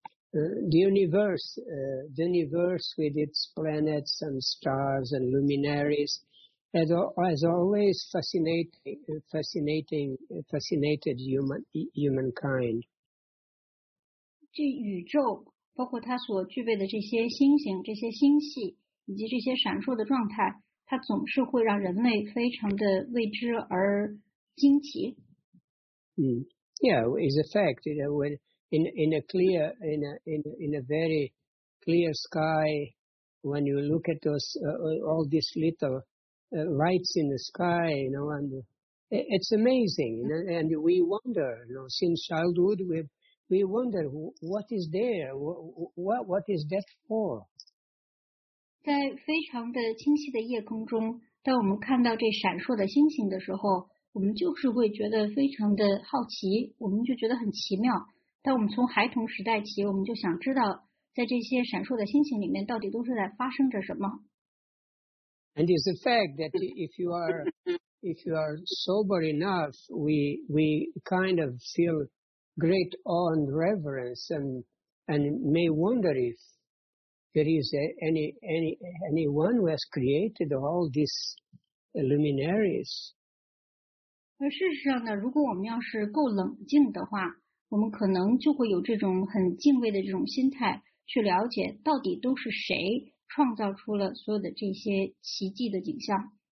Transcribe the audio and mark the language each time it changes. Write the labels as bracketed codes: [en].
[en] The universe with its planets and stars and luminaries has always fascinated humankind. [zh] 这宇宙包括它所具备的这些星星、这些星系以及这些闪烁的状态，它总是会让人类非常的未知而惊奇。 [en] Yeah, it's a fact. You know, when in a very clear sky, when you look at all these little lights in the sky, you know, and it's amazing. You know, and we wonder, you know, since childhood we wonder what is there, what is that for? [zh] 在非常的清晰的夜空中，当我们看到这闪烁的星星的时候，我们就是会觉得非常的好奇，我们就觉得很奇妙。当我们从孩童时代起，我们就想知道，在这些闪烁的星星里面，到底都是在发生着什么。 [en] And it's a fact that if you are sober enough, we kind of feel great awe and reverence, and may wonder if there is anyone who has created all these luminaries. [zh] 而事实上呢，如果我们要是够冷静的话，我们可能就会有这种很敬畏的这种心态，去了解到底都是谁创造出了所有的这些奇迹的景象。